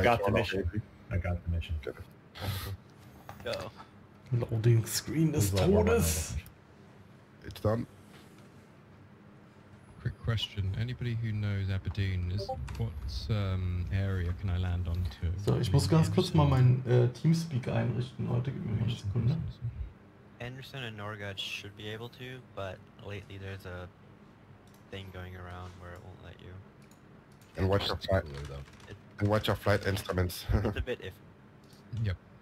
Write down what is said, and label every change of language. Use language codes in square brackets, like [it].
[en] I got the mission. Okay. I got the mission. Okay. Go. Loading screen is Todes. It's done. Quick question. Anybody who knows Aberdeen, what area can I land onto? [de] So, ich muss ganz kurz mal mein TeamSpeak einrichten. Leute, gib mir mal eine Sekunde. [en] Anderson and Norgad should be able to, but lately there's a thing going around where it won't let you. And watch your flight, though. And watch your flight instruments. It's a bit iffy. Yep.